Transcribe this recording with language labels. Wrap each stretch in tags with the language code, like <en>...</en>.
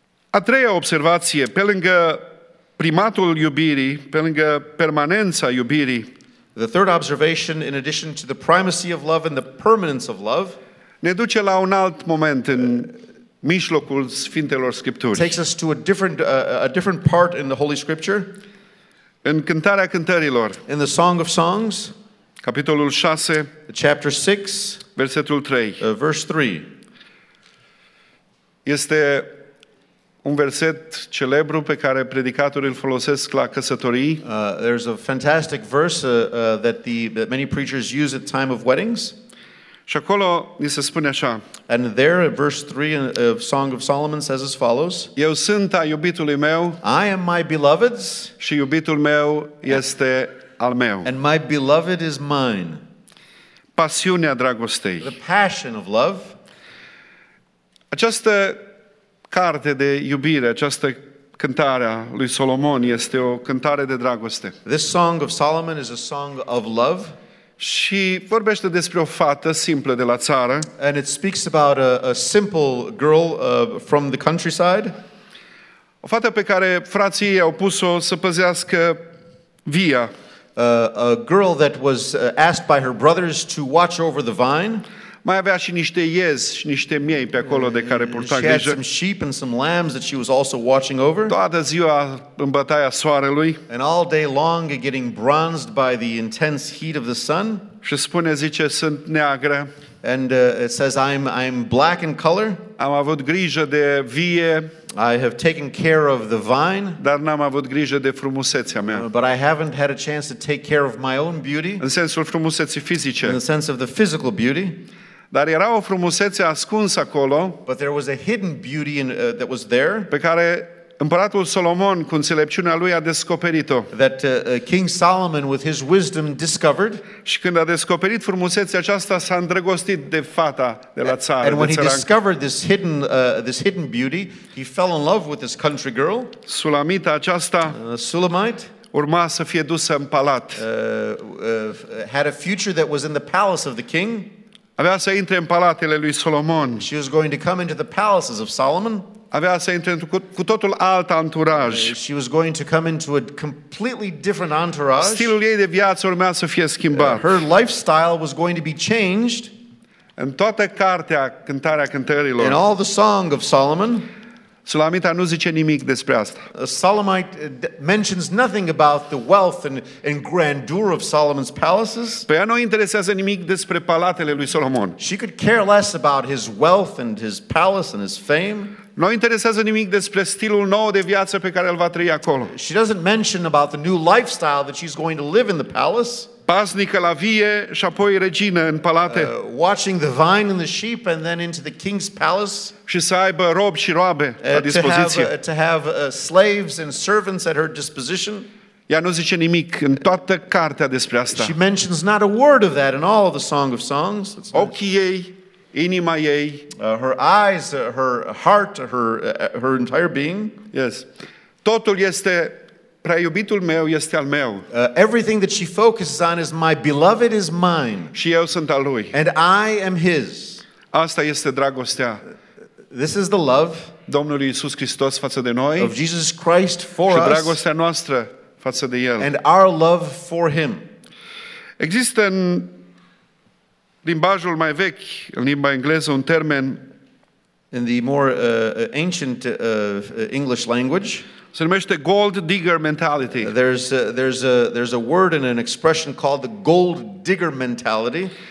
<ro>A treia observație, pe lângă primatul iubirii, pe lângă permanența iubirii.</ro> <en>The third observation, in addition to the primacy of love and the permanence of love,</en> <ro>ne duce la un alt moment în mijlocul Sfintelor Scripturii.</ro> <en>Takes us to a different part in the Holy Scripture.</en> <ro>În Cântarea Cântărilor.</ro> <en>In the Song of Songs.</en> <ro>Capitolul 6.</ro> <en>Chapter 6.</en> <ro>Versetul 3.</ro> <en>Verse 3.</en> <ro>Este un verset celebru pe care predicatorii îl folosesc la căsătorii.</ro> <en>There's a fantastic verse that many preachers use at time of weddings.</en> <ro>Și acolo ni se spune așa.</ro> <en>And there, verse 3 of Song of Solomon says as follows.</en> <ro>Eu sunt a iubitului meu.</ro> <en>I am my beloved's.</en> <ro>Și iubitul meu este al meu.</ro> <en>And my beloved is mine.</en> <ro>Pasiunea dragostei.</ro> <en>The passion of love.</en> <ro>Această carte de iubire, această cântare a lui Solomon este o cântare de dragoste.</ro> <en>This Song of Solomon is a song of love.</en> <ro>Și vorbește despre o fată simplă de la țară.</ro> <en>And it speaks about a simple girl from the countryside.</en> <ro>O fată pe care frații au pus-o să păzească via.</ro> <en>A girl that was asked by her brothers to watch over the vine.</en> <ro>Mai avea și niște iezi și niște miei pe acolo de care purta grijă.</ro> <en>She had some sheep and some lambs that she was also watching over.</en> <ro>Toată ziua în bătaia soarelui.</ro> <en>And all day long getting bronzed by the intense heat of the sun.</en> <ro>Și spune, zice, sunt neagră.</ro> <en>And it says, I'm black in color.</en> <ro>Am avut grijă de vie.</ro> <en>I have taken care of the vine.</en> <ro>Dar n-am avut grijă de frumusețea mea.</ro> <en>But I haven't had a chance to take care of my own beauty.</en> <ro>În sensul frumuseții fizice.</ro> <en>In the sense of the physical beauty.</en> <ro>Dar era o frumusețe ascunsă acolo.</ro> <en>But there was a hidden beauty that was there.</en> <ro>Pe care împăratul Solomon cu înțelepciunea lui a descoperit-o.</ro> <en>That King Solomon with his wisdom discovered.</en> <ro>Și când a descoperit frumusețea aceasta, s-a îndrăgostit de fata de la țară.</ro> <en>And when he discovered this hidden beauty, he fell in love with this country girl.</en> <ro>Sulamita aceasta.</ro> <en>Sulamite.</en> <ro>Urma să fie dusă în palat.</ro> <en>Had a future that was in the palace of the king.</en> <ro>Avea să intre în palatele lui Solomon.</ro> <en>She was going to come into the palaces of Solomon.</en> <ro>Avea să intre cu totul alt anturaj.</ro> <en>She was going to come into a completely different entourage.</en> <ro>Stilul ei de viață urma să fie schimbat.</ro> <en>Her lifestyle was going to be changed.</en> <ro>În toată cartea Cântarea Cântărilor.</ro> <en>In all the Song of Solomon.</en> <ro>Sulamita nu zice nimic despre asta.</ro> <en>A Solomite mentions nothing about the wealth and grandeur of Solomon's palaces.</en> <ro>Pe ea nu interesează nimic despre palatele lui Solomon.</ro> <en>She could care less about his wealth and his palace and his fame.</en> <ro>Nu interesează nimic despre stilul nou de viață pe care îl va trăi acolo.</ro> <en>She doesn't mention about the new lifestyle that she's going to live in the palace.</en> <ro>Pasnică la vie și apoi regină în palate.</ro> <en>Watching the vine and the sheep and then into the king's palace.</en> <ro>Și să aibă rob și roabe la dispoziție.</ro> <en>To have slaves and servants at her disposition.</en> <ro>Ea nu zice nimic în toată cartea despre asta.</ro> <en>She mentions not a word of that in all of the Song of Songs.</en> <ro>Ochii ei, inima ei.</ro> <en>Her eyes, her heart, her entire being. Yes.</en> <ro>Totul este... Prea iubitul meu este al meu.</ro> <en>Everything that she focuses on is my beloved is mine.</en> <ro>Și eu sunt al lui.</ro> <en>And I am his.</en> <ro>Asta este dragostea.</ro> <en>This is the love.</en> <ro>Domnului Iisus Hristos față de noi,</ro> <en>of Jesus Christ for</en> <ro>și dragostea noastră față de El.</ro> <en>And our love for Him.</en> <ro>Există în limbajul mai vechi, în limba engleză, un termen</ro> <en>in the more ancient English language,</en> <ro>se numește</ro> <en>gold digger mentality. There's a word and an expression called the gold digger mentality.</en>